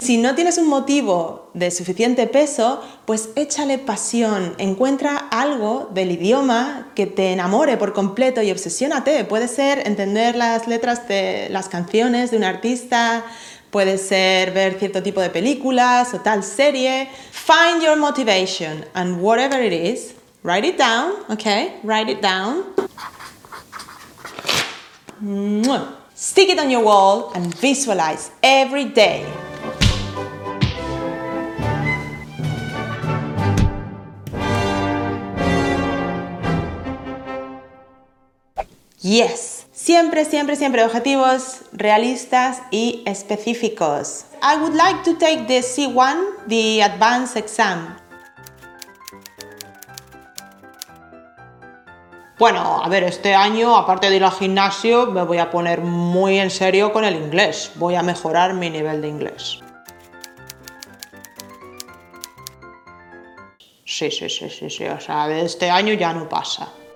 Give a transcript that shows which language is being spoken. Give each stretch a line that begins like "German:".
Spanish: Si no tienes un motivo de suficiente peso, pues échale pasión. Encuentra algo del idioma que te enamore por completo y obsesiónate. Puede ser entender las letras de las canciones de un artista, puede ser ver cierto tipo de películas o tal serie.
English: Find your motivation and whatever it is, write it down, okay? Write it down. Mwah. Stick it on your wall and visualize every day.
Spanish: Yes. Siempre, siempre, siempre objetivos realistas y específicos.
English: I would like to take the C1, the advanced exam.
Spanish: Bueno, a ver, este año, aparte de ir al gimnasio, me voy a poner muy en serio con el inglés. Voy a mejorar mi nivel de inglés. Sí. O sea, de este año ya no pasa.